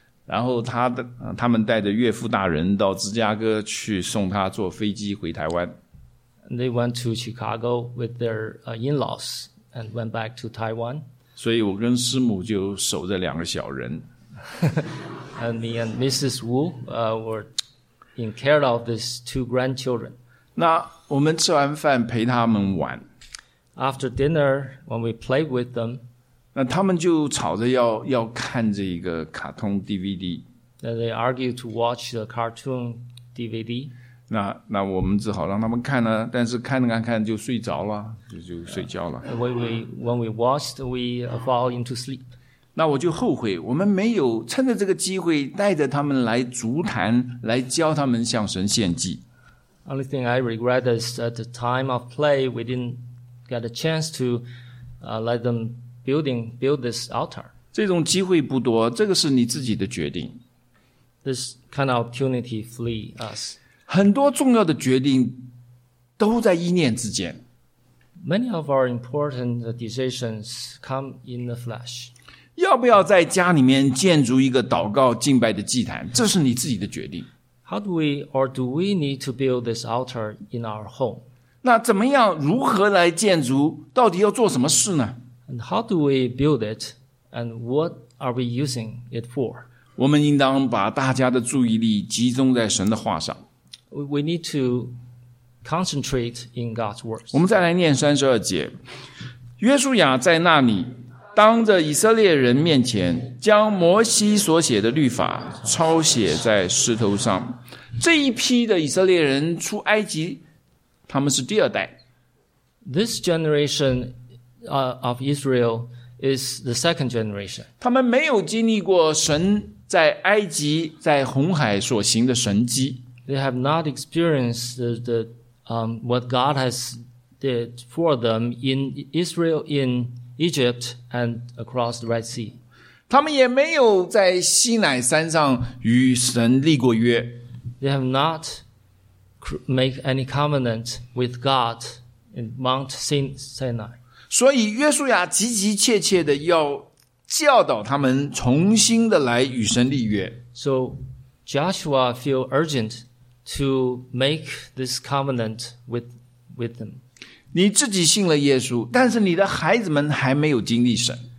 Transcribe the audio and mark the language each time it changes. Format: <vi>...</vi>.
<zh>然后他们带着岳父大人到芝加哥去送他坐飞机回台湾。</zh> <en>They went to Chicago with their in-laws and went back to Taiwan.</en> <zh>所以我跟师母就守着两个小人。</zh> <en>And me and Mrs. Wu were in care of these two grandchildren.</en> <zh>那我们吃完饭陪他们玩。</zh> <en>After dinner, when we played with them,</en> <zh>那他们就吵着要看这个卡通 DVD.</zh> <en>And they argued to watch the cartoon DVD.</en> <zh>那我们只好让他们看了，但是看了看就睡着了，就睡觉了。</zh> <en>When we watched, we fall into sleep.</en> <zh>那我就后悔，我们没有趁着这个机会带着他们来筑坛，来教他们向神献祭。</zh> <en>Only thing I regret is at the time of play, we didn't get a chance to let them build this altar.</en> <zh>这种机会不多，这个是你自己的决定。</zh> <en>This kind of opportunity flee us.</en> <zh>很多重要的决定都在一念之间。</zh> <en>Many of our important decisions come in the flesh.</en> <zh>要不要在家里面建筑一个祷告敬拜的祭坛，这是你自己的决定。</zh> <en>How do we need to build this altar in our home?</en> <zh>那怎么样，如何来建筑，到底要做什么事呢？</zh> <en>And how do we build it? And what are we using it for?</en> <zh>我们应当把大家的注意力集中在神的话上。</zh> <en>We need to concentrate in God's words.</en> <zh>我们再来念32节。约书亚在那里当着以色列人面前将摩西所写的律法抄写在石头上。这一批的以色列人出埃及，他们是第二代。</zh> <en>This generation of Israel is the second generation.</en> <zh>他们没有经历过神在埃及在红海所行的神迹。</zh> <en>They have not experienced what God has did for them in Israel, in Egypt, and across the Red Sea.</en> <zh>他们也没有在西乃山上与神立过约。</zh> <en>They have not make any covenant with God in Mount Sinai.</en> <zh>所以约书亚急急切切的要教导他们重新的来与神立约。</zh> <en>So Joshua feel urgent to make this covenant with them.</en> <zh>你自己信了耶稣，但是你的孩子们还没有经历神。</zh>